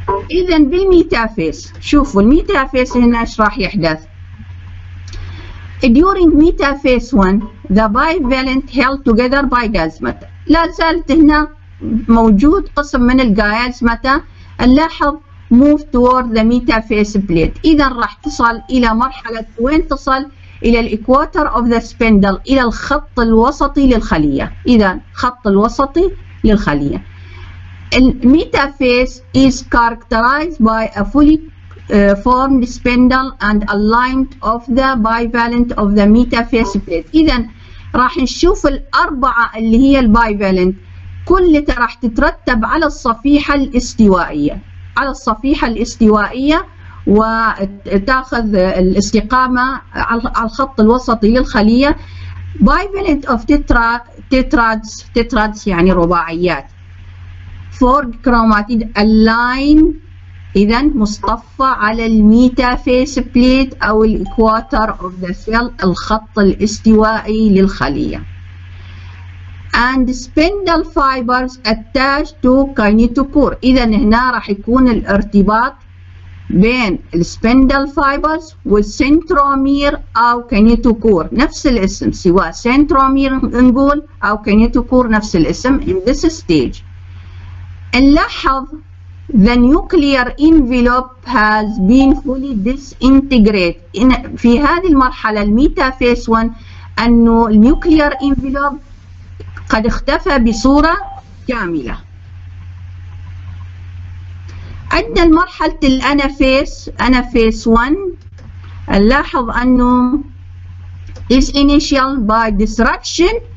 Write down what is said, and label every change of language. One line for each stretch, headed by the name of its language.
Arabic: إذا بالميتافيس، شوفوا الميتافيس هنا إيش راح يحدث.
English: During metaphase 1 the bivalent held together by gasmata.
Arabic: لا زالت هنا موجود قسم من الجايزمتا، نلاحظ
English: move toward the metaphase plate.
Arabic: إذا راح تصل إلى مرحلة وين تصل؟ إلى الإكواتر
English: of the spindle،
Arabic: إلى الخط الوسطي للخلية. إذا خط الوسطي للخلية.
English: Metaphase is characterized by a fully formed spindle and alignment of the bivalent of the metaphase plate.
Arabic: إذا راح نشوف الأربعة اللي هي البايفالنت كلها راح تترتب على الصفيحة الاستوائية، على الصفيحة الاستوائية، وتاخذ الاستقامة على الخط الوسطي للخلية.
English: Bivalent of tetrads
Arabic: يعني رباعيات.
English: Four chromatid align
Arabic: إذا مصطفى على الميتافيس بليت أو الإكواتر
English: of the cell،
Arabic: الخط الاستوائي للخلية.
English: And spindle fibers attached to kinetochore.
Arabic: إذا هنا راح يكون الارتباط بين السبندل فايبرز والسنترومير او كينيتو كور، نفس الاسم، سواء سنترومير نقول او كينيتو كور نفس الاسم.
English: in this stage نلاحظ the nuclear envelope has been fully disintegrated.
Arabic: في هذه المرحله الميتافيس 1 انه النيوكليير انفلوب قد اختفى بصوره كامله. عندنا مرحلة الأنافيس، أنافيس 1، نلاحظ أنه
English: is initial by disruption.